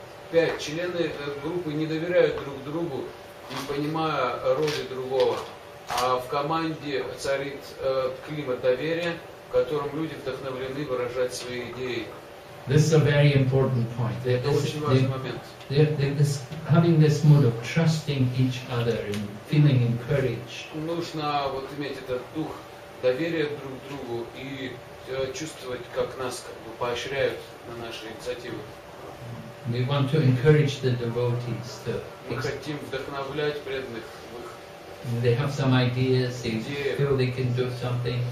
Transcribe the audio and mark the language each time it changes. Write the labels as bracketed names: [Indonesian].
[Russian] Пять. Члены группы не доверяют друг другу, не понимая роли другого. А в команде царит климат доверия, в котором люди вдохновлены выражать свои идеи. [English] This is a very important point. [Russian] Это очень важный момент. [English] Having this mood of trusting each other and feeling encouraged. [Russian] Нужно вот иметь этот дух доверия друг другу и чувствовать, как нас как бы поощряют на наши инициативы. [English] We want to encourage the devotees to. [Russian] Мы хотим вдохновлять преданных в их. [English] They have some ideas. They feel they can do something.